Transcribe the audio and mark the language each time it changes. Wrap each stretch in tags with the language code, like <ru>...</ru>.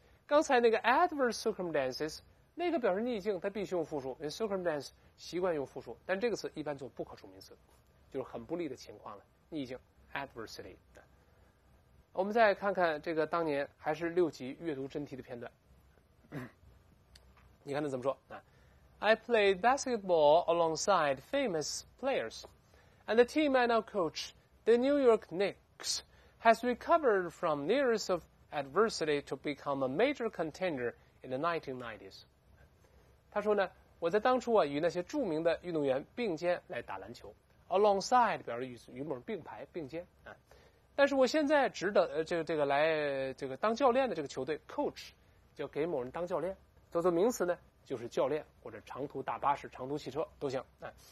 <zh>刚才那个 adverse circumstances， 那个表示逆境，它必须用复数，因为 circumstance 习惯用复数，但这个词一般做不可数名词，就是很不利的情况了。逆境 ，adversity。我们再看看这个当年还是六级阅读真题的片段。你看他怎么说啊 ？</zh> <en>I played basketball alongside famous players, and the team I now coach, the New York Knicks, has recovered from years of adversity to become a major contender in the 1990s.</en> <zh>他说呢，我在当初啊与那些著名的运动员并肩来打篮球。 Alongside 表示与某人并排并肩啊，但是我现在值得这个当教练的这个球队 coach 就给某人当教练，做名词呢就是教练或者长途大巴士、长途汽车都行啊。</zh>